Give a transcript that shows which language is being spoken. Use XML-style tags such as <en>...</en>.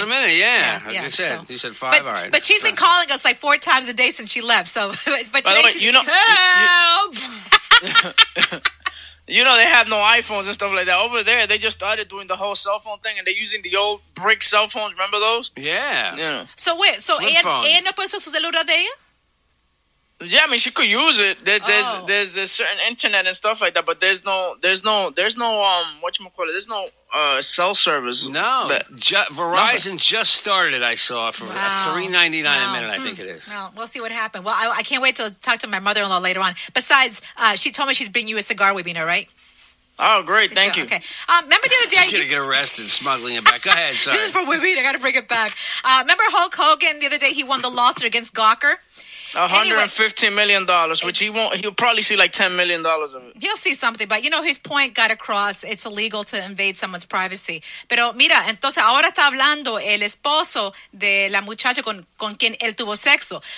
<en>a minute, yeah. Yeah, like yeah you said five, but, all right. But she's been calling us like 4 times a day since she left. So, but today by the way, she's you know. Help! You know, they have no iPhones and stuff like that. Over there, they just started doing the whole cell phone thing, and they're using the old brick cell phones. Remember those? Yeah. You know. So wait, so</en> <es>ella no puso su celular de ella?</es> <en>Yeah, I mean, she could use it. There's certain internet and stuff like that, but there's no cell service. No, Verizon just started it. I saw for $3.99 a minute. I think it is. Well, we'll see what happens. Well, I can't wait to talk to my mother-in-law later on. Besides, she told me she's bringing you a cigar, Webina, right? Oh, great. Thank you. Okay. Remember the other day. She's going to get arrested smuggling it back. Go ahead. Sorry. This is for Webina. I got to bring it back. Remember Hulk Hogan the other day? He won the lawsuit against Gawker. $115 million, which he won't. He'll probably see like $10 million of it. He'll see something, but you know his point got across. It's illegal to invade someone's privacy.</en> <es>Pero mira, entonces ahora está hablando el esposo de la muchacha con quien él tuvo sexo.</es>